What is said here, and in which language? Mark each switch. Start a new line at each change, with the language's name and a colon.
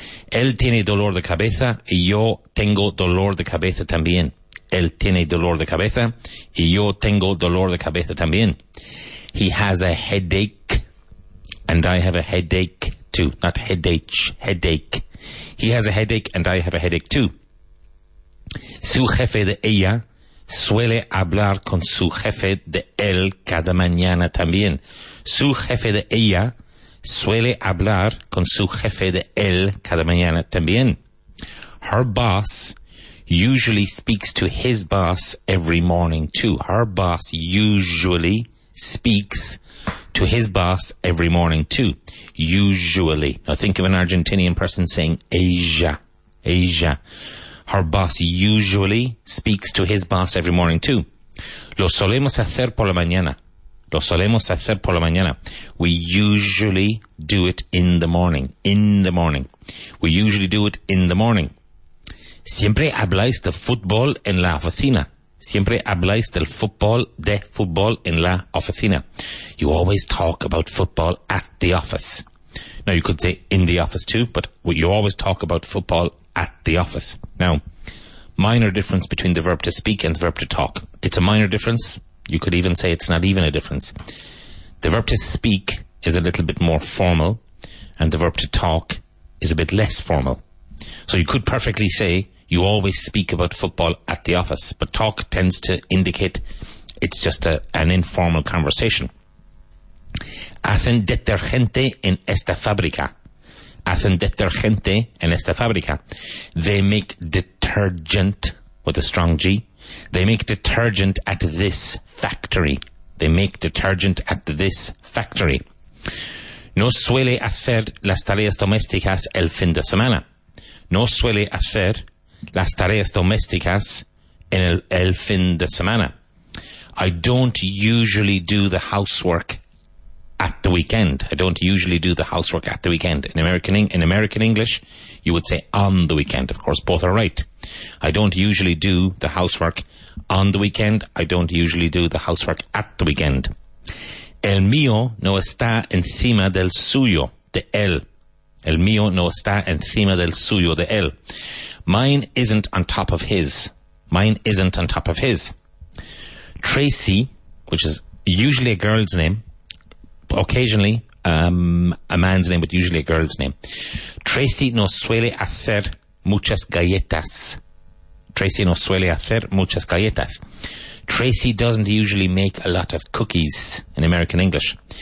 Spanish: Él tiene dolor de cabeza y yo tengo dolor de cabeza también. Él tiene dolor de cabeza y yo tengo dolor de cabeza también.
English: He has a headache and I have a headache too. Not headache. Headache. He has a headache and I have a headache too.
Spanish: Su jefe de ella suele hablar con su jefe de él cada mañana también. Su jefe de ella suele hablar con su jefe de él cada mañana también.
English: Her boss usually speaks to his boss every morning too. Her boss usually speaks to his boss every morning too. Usually. Now think of an Argentinian person saying Asia. Asia. Her boss usually speaks to his boss every morning too.
Spanish: Lo solemos hacer por la mañana. Lo solemos hacer por la mañana.
English: We usually do it in the morning. In the morning. We usually do it in the morning.
Spanish: Siempre habláis de fútbol en la oficina. Siempre habláis del fútbol, de fútbol en la oficina.
English: You always talk about football at the office. Now you could say in the office too, but you always talk about football at the office. Now, minor difference between the verb to speak and the verb to talk. It's a minor difference. You could even say it's not even a difference. The verb to speak is a little bit more formal and the verb to talk is a bit less formal. So you could perfectly say you always speak about football at the office, but talk tends to indicate it's just an informal conversation.
Spanish: Hacen detergente en esta fábrica. Hacen detergente en esta fábrica.
English: They make detergent with a strong G. They make detergent at this factory. They make detergent at this factory.
Spanish: No suele hacer las tareas domésticas el fin de semana. No suele hacer las tareas domésticas en el fin de semana.
English: I don't usually do the housework at the weekend. I don't usually do the housework at the weekend. In American English, you would say on the weekend. Of course, both are right. I don't usually do the housework on the weekend. I don't usually do the housework at the weekend.
Spanish: El mío no está encima del suyo, de él. El mío no está encima del suyo, de él.
English: Mine isn't on top of his. Mine isn't on top of his. Tracy, which is usually a girl's name, occasionally a man's name, but usually a girl's name.
Spanish: Tracy no suele hacer muchas galletas. Tracy no suele hacer muchas galletas.
English: Tracy doesn't usually make a lot of cookies in American English.